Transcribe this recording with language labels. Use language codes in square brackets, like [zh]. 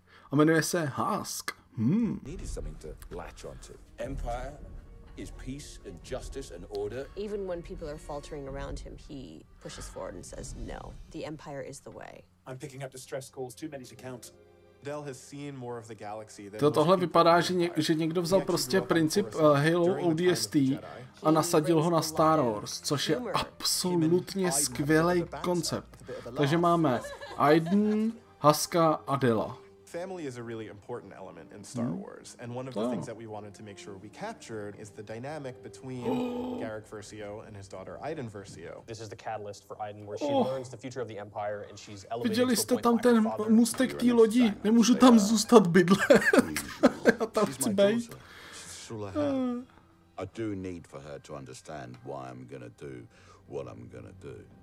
[cs] A jmenuje se Hask. [en] Needed something to latch onto. Empire is peace and justice and order. Even when people are faltering around him, he pushes forward and says, no, the Empire is the way. I'm picking up distress calls, too many to count. [cs] Tohle vypadá, že někdo vzal prostě princip Halo ODST a nasadil ho na Star Wars, což je absolutně skvělý koncept. Takže máme Aiden, Huska a Della. [en] Family is a really important element in Star Wars, and one of the things that we wanted to make sure we captured is the dynamic between Garrick Versio and his daughter Aiden Versio. This is the catalyst for Aiden, where she learns the future of the Empire, and she's elevated to a point. [cs] Viděli jste tam ten mustek té lodi? Nemůžu tam zůstat bydlet. A tam chci být. [en] I do need for her to understand why I'm gonna do what I'm gonna do.